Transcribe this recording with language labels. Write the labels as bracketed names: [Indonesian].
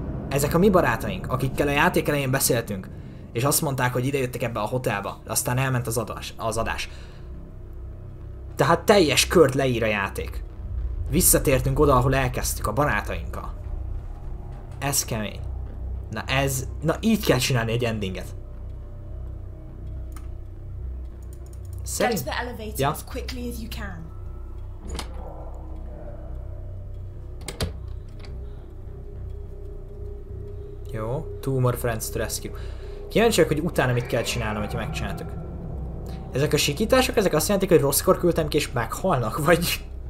[Hungarian] Ezek a mi barátaink, akikkel a játék elején beszéltünk. És azt mondták, hogy idejöttek ebbe a hotelba, aztán elment az adás. Tehát teljes kört leír a játék. Visszatértünk oda, ahol elkezdtük a barátainkkal. Ez kemény. Na így kell csinálni egy endinget. [English] Get to the elevator as quickly as you can. Jó, two more friends to rescue. [Hungarian] Kíváncsi vagyok, hogy utána mit kell csinálnom, hogyha megcsináltuk. Ezek a sikítások, ezek azt jelentik, hogy rosszkor küldtem ki és meghalnak, vagy...